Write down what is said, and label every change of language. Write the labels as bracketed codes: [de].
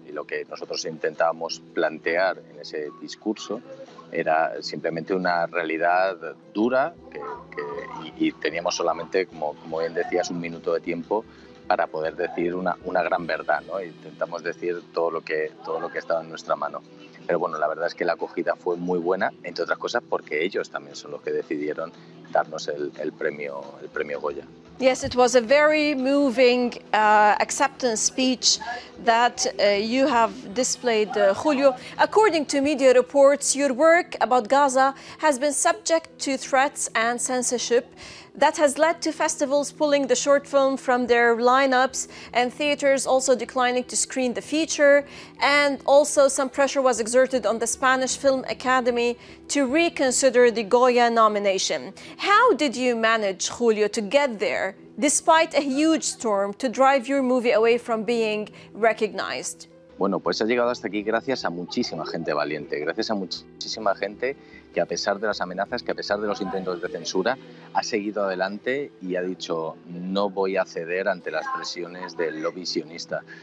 [es] Y lo que nosotros intentábamos plantear en ese discurso era simplemente una realidad dura y teníamos solamente, como bien decías, un minuto de tiempo para poder decir una gran verdad, ¿no? Intentamos decir todo lo que estaba en nuestra mano. Pero bueno, la verdad es que la acogida fue muy buena, entre otras cosas porque ellos también son los que decidieron darnos el premio Goya. [en] Yes, it was a very moving acceptance speech that you have displayed, Julio. According to media reports, your work about Gaza has been subject to threats and censorship that has led to festivals pulling the short film from their lineups and theaters also declining to screen the feature. And also some pressure was exerted on the Spanish Film Academy to reconsider the Goya nomination. How did you manage, Julio, to get there despite a huge storm to drive your movie away from being recognized? [es] Bueno, pues ha llegado hasta aquí gracias a muchísima gente valiente, gracias a muchísima gente que a pesar de las amenazas, que a pesar de los intentos de censura, ha seguido adelante y ha dicho no voy a ceder ante las presiones del lobby sionista.